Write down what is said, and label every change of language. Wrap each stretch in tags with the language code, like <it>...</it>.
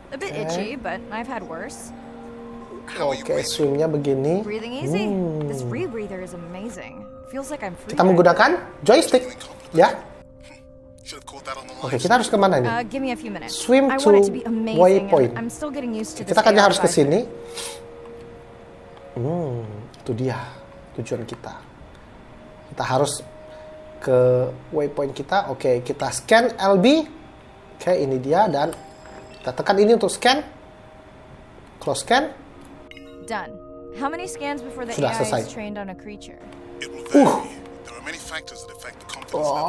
<en>A bit itchy, but I've had worse.</en> <id>Oke, swimnya begini.</id> <en>Breathing easy. This rebreather is amazing. Feels like I'm free.</en> <id>Kita menggunakan joystick, ya. Oke, kita harus kemana ini?</id> <en>Give me a few minutes. Swim to waypoint. I'm still getting used to this.</en> <id>Kita kayaknya harus ke sini. Itu dia tujuan kita. Kita harus ke waypoint kita. Oke, kita scan LB. Oke, ini dia. Dan kita tekan ini untuk scan.</id> <en>Close scan. Done. How many scans before the</en> <id>sudah</id> <en>AI</en> <id>selesai.</id> <en>Is trained on a creature? There are many factors that affect the confidence.</en>